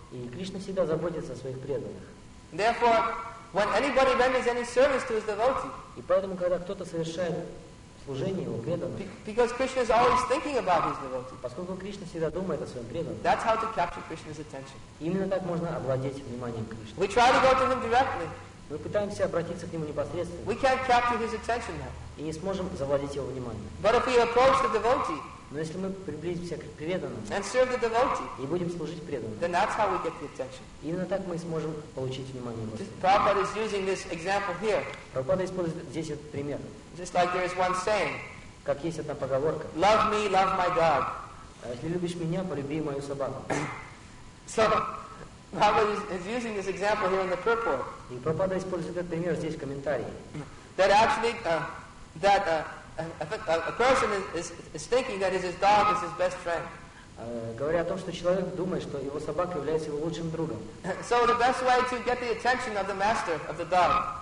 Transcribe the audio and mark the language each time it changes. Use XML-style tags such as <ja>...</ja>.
<ru>И Кришна всегда заботится о своих преданных.</ru> <en>Therefore, when anybody renders any service to his devotee,</en> <ru>и поэтому, когда кто-то совершает служение его преданным,</ru> <en>because Krishna is always thinking about his devotee,</en> <ru>поскольку Кришна всегда думает о своем преданном,</ru> <en>that's how to capture Krishna's attention.</en> <ru>Именно так можно овладеть вниманием Кришны.</ru> <en>We try to go to him directly.</en> <ru>Мы пытаемся обратиться к нему непосредственно.</ru> <en>We can't capture his attention now.</en> <ru>И не сможем завладеть его вниманием.</ru> <en>But if we approach the devotee,</en> <ru>но если мы приблизимся к преданному,</ru> <en>and serve the devotee,</en> <ru>и будем служить преданному,</ru> <en>then that's how we get the attention.</en> <ru>Именно так мы сможем получить внимание Господа.</ru> <en>Prabhupada is using this example here.</en> <ru>Прабхупада использует здесь этот пример.</ru> <en>Just like there is one saying,</en> <ru>как есть одна поговорка.</ru> <en>Love me, love my dog.</en> <ru>Если любишь меня, полюби мою собаку.</ru> <en>So, Prabhupada is using this example here in the purport.</en> <ru>И Прабхупада использует этот пример здесь в комментарии.</ru> <en>That actually that a person is thinking that his dog is his best friend.</en> <ru>Говоря о том, что человек думает, что его собака является его лучшим другом.</ru> <en>So the best way to get the attention of the master of the dog.</en>